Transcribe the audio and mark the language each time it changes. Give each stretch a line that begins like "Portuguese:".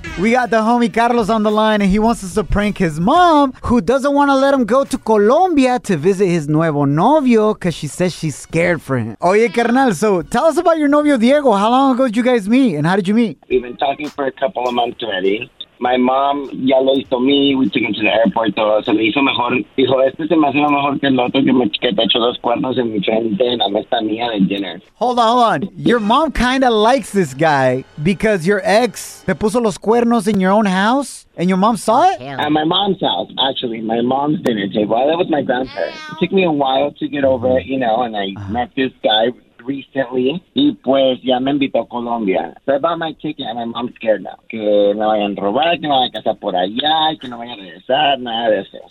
English: We got the homie Carlos on the line, and he wants us to prank his mom, who doesn't want to let him go to Colombia to visit his
Spanish: nuevo novio
English: because she says she's scared for him.
Spanish: Oye, carnal,
English: so tell us about your novio, Diego. How long ago did you guys meet, and how did you meet? We've been talking for a couple of months already. My mom
Spanish: ya lo hizo a mí.
English: We took him to the airport.
Spanish: Todo. Se le hizo mejor. Dijo, este se me hace mejor que el otro que me chiqueta. Echó dos cuernos en mi frente en la mesa mía de dinner.
English: Hold on. Your mom kind of likes this guy because your ex
Spanish: te puso los cuernos
English: in your own house and your mom saw it? At my mom's house, actually. My mom's dinner table. I live with my grandparents. It took me a while to get over it, you know, and I met this guy recently,
Spanish: y pues ya me invitó a Colombia.
English: So I bought my ticket and my mom's scared now.
Spanish: Que me vayan a robar, que me vayan a casar por allá, que no vayan a regresar, nada de eso.